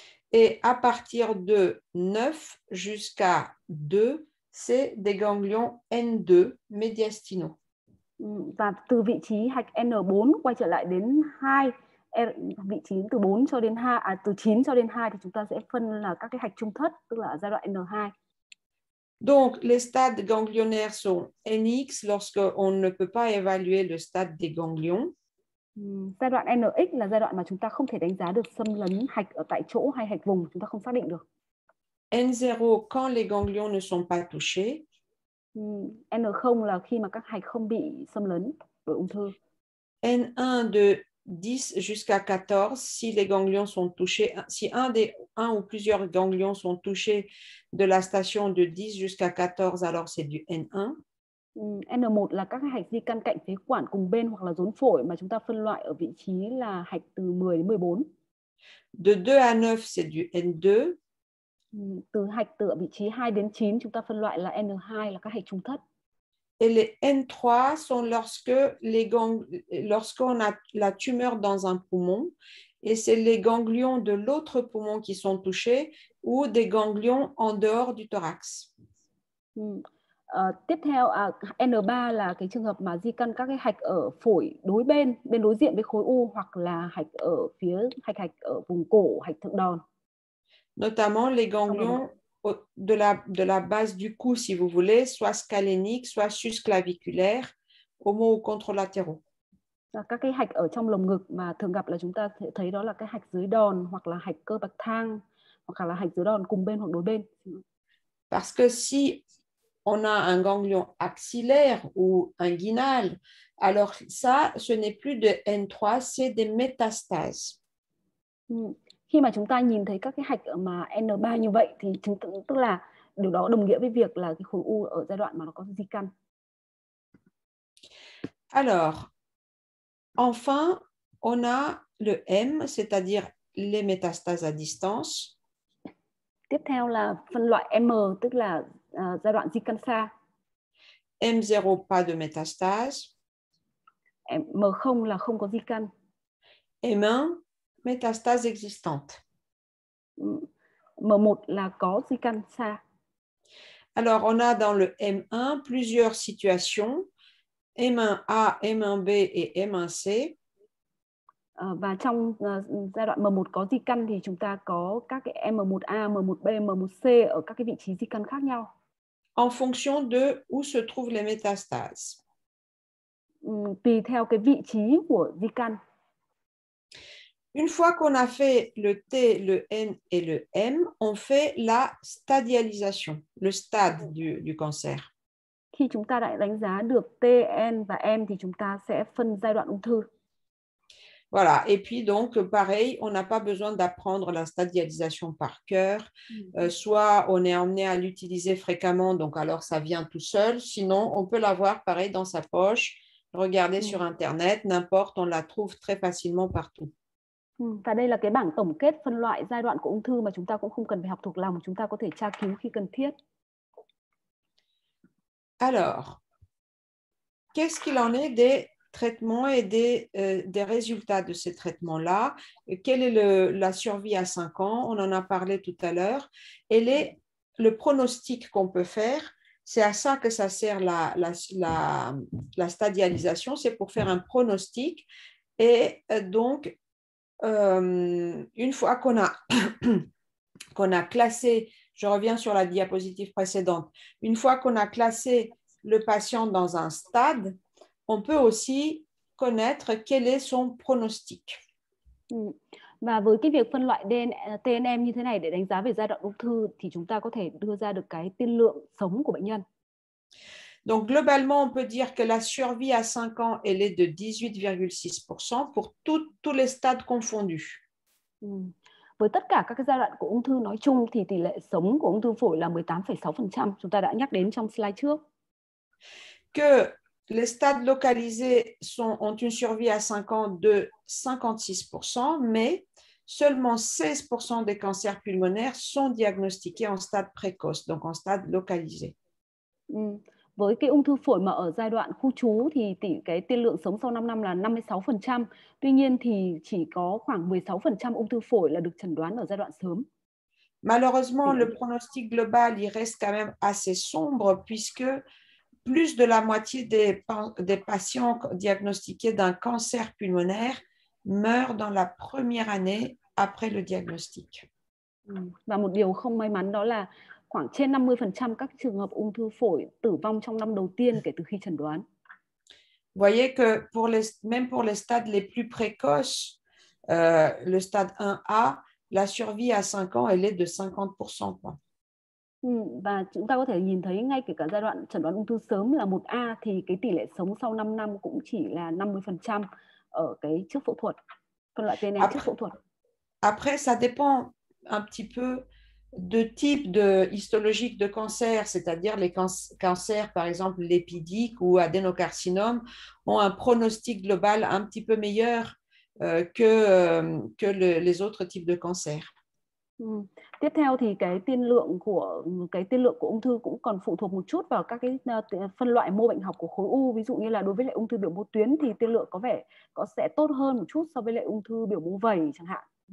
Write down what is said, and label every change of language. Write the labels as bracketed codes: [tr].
[fr] Et à partir de 9 jusqu'à 2, c'est des ganglions N2 médiastinaux. [vi] Và từ vị trí hạch N4 quay trở lại đến 2, vị trí từ 4 cho đến 2, à, từ 9 cho đến 2 thì chúng ta sẽ phân là các cái hạch trung thất, tức là giai đoạn N2. [fr] Donc, les stades ganglionnaires sont NX lorsque on ne peut pas évaluer le stade des ganglions. [vi] Giai đoạn NX là giai đoạn mà chúng ta không thể đánh giá được xâm lấn hạch ở tại chỗ hay hạch vùng, chúng ta không xác định được. [fr] N0 quand les ganglions ne sont pas touchés. [vi] N0 là khi mà các hạch không bị xâm lấn bởi ung thư. [fr] N1 de 10 jusqu'à 14 si les ganglions sont touchés, si un des un ou plusieurs ganglions sont touchés de la station de 10 jusqu'à 14, alors c'est du N1. [vi] N1 là các hạch di căn cạnh phế quản cùng bên hoặc là rốn phổi mà chúng ta phân loại ở vị trí là hạch từ 10 đến 14. [fr] De 2 à 9, c'est du N2. [vi] Từ hạch từ vị trí 2 đến 9, chúng ta phân loại là N2 là các hạch trung thất. [fr] Et les N3 sont lorsque les lorsqu'on a la tumeur dans un poumon, et c'est les ganglions de l'autre poumon qui sont touchés ou des ganglions en dehors du thorax. [vi] Tiếp theo, N3 là cái trường hợp mà di căn các cái hạch ở phổi đối bên, bên đối diện với khối u hoặc là hạch ở phía hạch ở vùng cổ, hạch thượng đòn. [fr] Notamment les ganglions de la base du cou, si vous voulez, soit scalénique, soit susclaviculaire, homo ou contralatéraux. [vi] Các cái hạch ở trong lồng ngực mà thường gặp là chúng ta thấy đó là cái hạch dưới đòn hoặc là hạch cơ bậc thang hoặc là hạch dưới đòn cùng bên hoặc đối bên. [fr] Parce que si on a un ganglion axillaire ou inguinal, alors ça, ce n'est plus de N3, c'est des métastases. [vi] Khi mà chúng ta nhìn thấy các cái hạch mà N3 như vậy thì chúng ta, tức là điều đó đồng nghĩa với việc là cái khối u ở giai đoạn mà nó có di căn. [fr] Alors, enfin, on a le M, c'est-à-dire les métastases à distance. [vi] Tiếp theo là phân loại M, tức là giai đoạn di căn xa. [fr] M0, pas de métastases. [vi] M0 là không có di căn. [fr] M1, métastase existante. [vi] M1 là có di căn xa. [fr] Alors, on a dans le M1 plusieurs situations. M1A, M1B et M1C. [vi] Và trong giai đoạn M1 có di căn thì chúng ta có các cái M1A, M1B, M1C ở các cái vị trí di căn khác nhau. [fr] En fonction de où se trouvent les métastases. [vi] Tùy theo cái vị trí của di căn. [fr] Une fois qu'on a fait le T, le N et le M, on fait la stadialisation, le stade du cancer. [vi] Khi chúng ta đã đánh giá được T, N và M thì chúng ta sẽ phân giai đoạn ung thư. [fr] Voilà, et puis donc pareil, on n'a pas besoin d'apprendre la stadialisation par cœur, soit on est amené à l'utiliser fréquemment, donc alors ça vient tout seul, sinon on peut l'avoir pareil dans sa poche, regarder sur Internet, n'importe, on la trouve très facilement partout. [vi] Và đây là cái bảng tổng kết phân loại giai đoạn của ung thư mà chúng ta cũng không cần phải học thuộc lòng, chúng ta có thể tra cứu khi cần thiết. [fr] Alors, qu'est-ce qu'il en est des traitements et des résultats de ces traitements-là? Quelle est la survie à 5 ans? On en a parlé tout à l'heure. Et le pronostic qu'on peut faire, c'est à ça que ça sert la stadialisation, c'est pour faire un pronostic. Et donc, une fois qu'on a classé, je reviens sur la diapositive précédente, une fois qu'on a classé le patient dans un stade, on peut aussi connaître quel est son pronostic. [vi] Và với cái việc phân loại TNM như thế này để đánh giá về giai đoạn ung thư thì chúng ta có thể đưa ra được cái tiên lượng sống của bệnh nhân. [fr] Donc globalement, on peut dire que la survie à 5 ans elle est de 18,6% pour tous les stades confondus. [vi] Với tất cả các giai đoạn của ung thư nói chung thì tỷ lệ sống của ung thư phổi là 18,6%, chúng ta đã nhắc đến trong slide trước. [fr] que les stades localisés ont une survie à 5 ans de 56%, mais seulement 16% des cancers pulmonaires sont diagnostiqués en stade précoce, donc en stade localisé. [vi] Với cái ung thư phổi mà ở giai đoạn khu trú thì tỷ cái tiên lượng sống sau 5 năm là 56%. Tuy nhiên thì chỉ có khoảng 16% ung thư phổi là được chẩn đoán ở giai đoạn sớm. [fr] Malheureusement, [vi] Thì... [fr] le pronostic global y reste quand même assez sombre puisque plus de la moitié des patients diagnostiqués d'un cancer pulmonaire meurent dans la première année après le diagnostic. [vi] Và một điều không may mắn đó là khoảng trên 50% các trường hợp ung thư phổi tử vong trong năm đầu tiên kể từ khi chẩn đoán. [fr] Voyez que même pour les stades les plus précoces, le stade 1A, la survie à 5 ans, elle est de 50%. [vi] Và chúng ta có thể nhìn thấy ngay kể cả giai đoạn chẩn đoán ung thư sớm là 1A thì cái tỷ lệ sống sau 5 năm cũng chỉ là 50% ở cái trước phẫu thuật, phân loại TNM trước phẫu thuật. [fr] Après, ça dépend un petit peu de type de histologique de cancer, c'est-à-dire les cancers, par exemple, lipidiques ou adénocarcinome, ont un pronostic global un petit peu meilleur que les autres types de cancers. [vi] Tiếp theo thì cái tiên lượng của ung thư cũng còn phụ thuộc một chút vào các cái phân loại mô bệnh học của khối u. Ví dụ như là đối với lại ung thư biểu mô tuyến thì tiên lượng có vẻ có sẽ tốt hơn một chút so với lại ung thư biểu mô vẩy chẳng hạn.